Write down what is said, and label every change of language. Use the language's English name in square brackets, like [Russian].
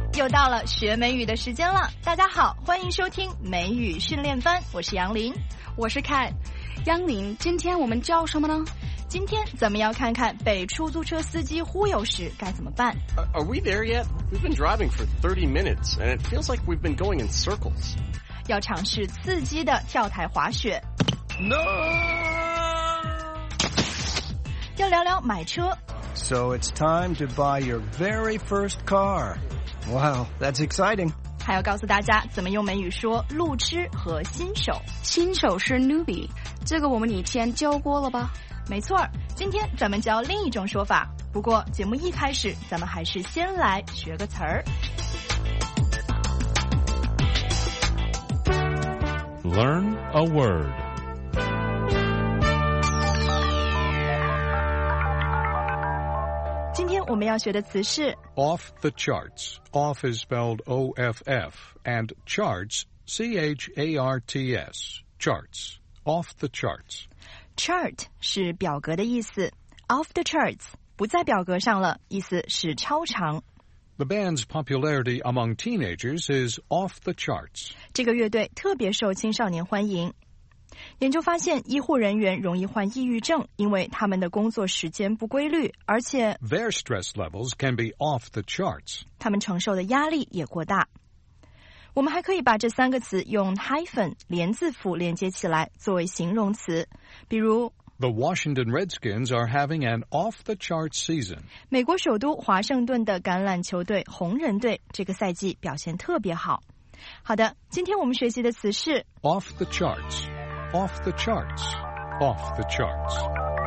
[Chinese] 到了学美语的时间了。大家好，欢迎收听美语训练班，我是杨林。我是凯。杨林，今天我们教什么呢？今天咱们要看看被出租车司机忽悠时该怎么办。 [English] Are we there yet? We've been driving for 30 minutes and it feels like we've been going in circles. [Chinese] 要尝试刺激的跳台滑雪。 [English] No! [Chinese] 要聊聊买车。 [English] So it's time to buy your very first car. Wow, that's exciting. [Chinese] 还要告诉大家怎么用美语说路痴和新手。新手是 newbie, 这个我们以前教过了吧？没错，今天咱们教另一种说法。不过节目一开始咱们还是先来学个词儿。 [English] Learn a word. [Chinese] 今天我们要学的词是 [English] off the charts. Off is spelled O-F-F and charts, C-H-A-R-T-S, charts, off the charts. [Chinese] Chart 是表格的意思 , [English] off the charts, [Chinese] 不在表格上了,意思是超长。 [English] The band's popularity among teenagers is off the charts. [Chinese] 这个乐队特别受青少年欢迎。研究发现医护人员容易患抑郁症因为他们的工作时间不规律而且 [English] Their stress levels can be off the charts [Chinese] 他们承受的压力也过大我们还可以把这三个词用 hyphen 连字符连接起来作为形容词比如 [English] The Washington Redskins are having an off the charts season [Chinese] 美国首都华盛顿的橄榄球队红人队这个赛季表现特别好好的今天我们学习的词是 [English] off the chartsOff the charts, off the charts.